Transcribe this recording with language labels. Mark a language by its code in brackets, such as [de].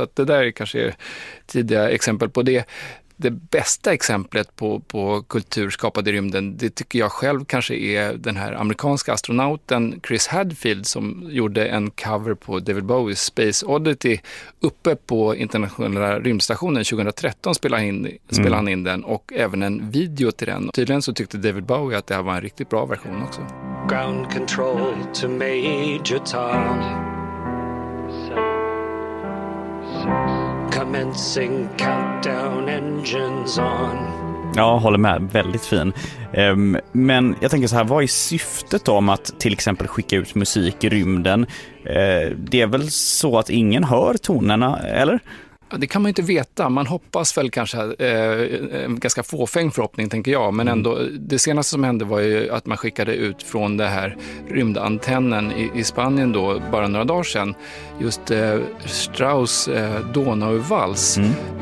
[sv] Så att det där är kanske tidiga exempel på det. Det bästa exemplet på kultur skapad i rymden, det tycker jag själv kanske är den här amerikanska astronauten Chris Hadfield, som gjorde en cover på David Bowies Space Oddity uppe på internationella rymdstationen 2013. Spelade han in den, och även en video till den. Tydligen så tyckte David Bowie att det här var en riktigt bra version också. [en] Ground control to Major Tom. Commencing countdown, engines on. [sv] Ja, håller med. Väldigt fin. Men jag tänker så här, vad är syftet om att till exempel skicka ut musik i rymden? Det är väl så att ingen hör tonerna, eller? Det kan man inte veta. Man hoppas väl kanske, en ganska fåfäng förhoppning tänker jag, men ändå, det senaste som hände var ju att man skickade ut från det här rymdantennen i Spanien då, bara några dagar sedan, just Strauss Donauvals. Mm.